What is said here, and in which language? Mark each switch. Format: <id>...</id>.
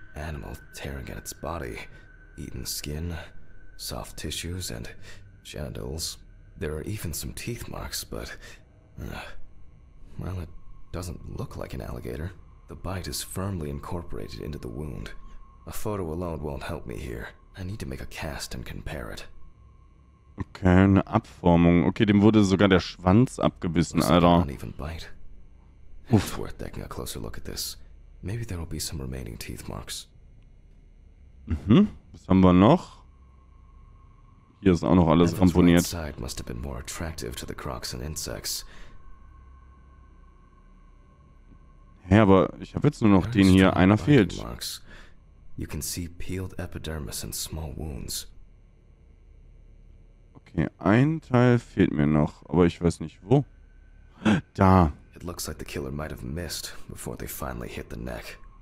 <en>animal tearing at its body, eaten skin, soft tissues, and genitals. There are even some teeth marks, but... well, it doesn't look like an alligator. The bite is firmly incorporated into the wound. A photo alone won't help me here. I need to make a cast and compare it.</en> <de>Okay, eine Abformung. Okay, dem wurde sogar der Schwanz abgebissen, Alter.</de> <en>It's worth taking a closer look at this. Maybe there will be some remaining teeth marks.</en> <de>Mhm, was haben wir noch? Hier ist auch noch alles ramponiert.</de> <en>The side must have been more attractive to the crocs and insects.</en> <de>Hä, aber ich habe jetzt nur noch den hier. Einer fehlt.</de> <en>You can see peeled epidermis and small wounds.</en> <de>Okay, ein Teil fehlt mir noch, aber ich weiß nicht wo. Da.</de> <en>It looks like the killer might have missed before they finally hit the neck.</en>